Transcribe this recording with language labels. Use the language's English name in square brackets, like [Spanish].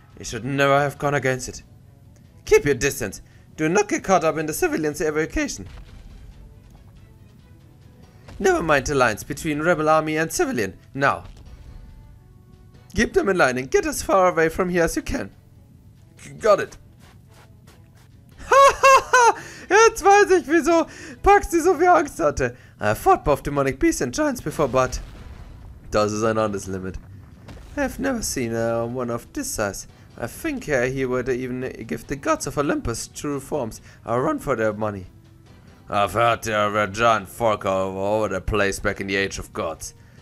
[English] You should never have gone against it. Keep your distance. Do not get caught up in the civilians' evacuation. Never mind the lines between rebel army and civilian. Now. Keep them in line and get as far away from here as you can. Got it. [German] Jetzt weiß ich, wieso Paxi so viel Angst hatte. [English] I fought both demonic beasts and giants before, but... [German] Das ist ein anderes Limit. [English] I've never seen one of this size. I think he would even give the gods of Olympus true forms a run for their money. I've heard there were giant folk all over the place back in the Age of Gods.